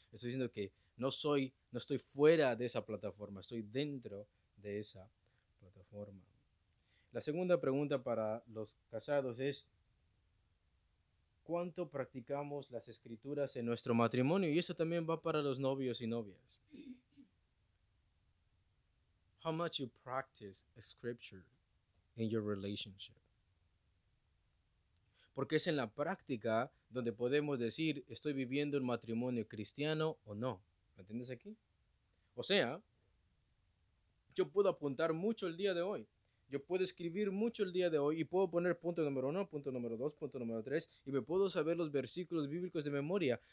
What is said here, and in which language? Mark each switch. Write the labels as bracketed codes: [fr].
[es] Estoy diciendo que no estoy fuera de esa plataforma, estoy dentro de esa plataforma. La segunda pregunta para los casados es, ¿cuánto practicamos las escrituras en nuestro matrimonio? Y eso también va para los novios y novias. [en] How much you practice a scripture in your relationship? [es] Porque es en la práctica donde podemos decir, ¿estoy viviendo un matrimonio cristiano o no? ¿Me entiendes aquí? O sea, yo puedo apuntar mucho el día de hoy. Yo puedo escribir mucho el día de hoy y puedo poner punto número uno, punto número dos, punto número tres, y me puedo saber los versículos bíblicos de memoria.